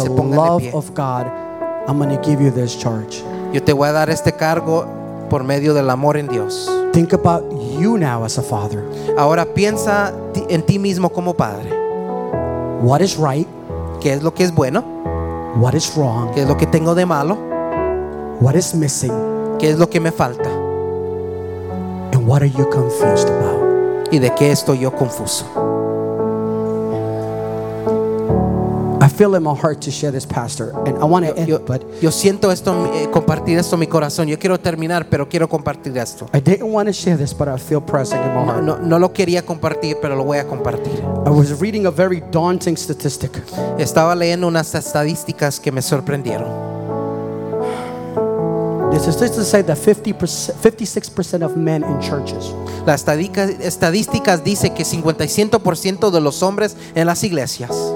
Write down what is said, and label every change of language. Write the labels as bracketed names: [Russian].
[Spanish] se pongan de pie. [English] With the love of God, I'm going to give you this charge. [Spanish] Yo te voy a dar este cargo por medio del amor en Dios. [English] Think about you now as a father. [Spanish] Ahora piensa en ti mismo como padre. [English] What is right? [Spanish] ¿Qué es lo que es bueno? [English] What is wrong? [Spanish] ¿Qué es lo que tengo de malo? [English] What is missing? [Spanish] ¿Qué es lo que me falta? [English] And what are you confused about? [Spanish] ¿Y de qué estoy yo confuso? [English] I feel in my heart to share this, pastor, and I want to end, but [Spanish] yo siento esto, compartir esto en mi corazón. Yo quiero terminar, pero quiero compartir esto. [English] I didn't want to share this, but I feel pressing in my heart. [Spanish] No lo quería compartir, pero lo voy a compartir. [English] I was reading a very daunting statistic. [Spanish] Estaba leyendo unas estadísticas que me sorprendieron. [English] The statistics say that 56% of men in churches. [Spanish] Las estadísticas dice que 56% de los hombres en las iglesias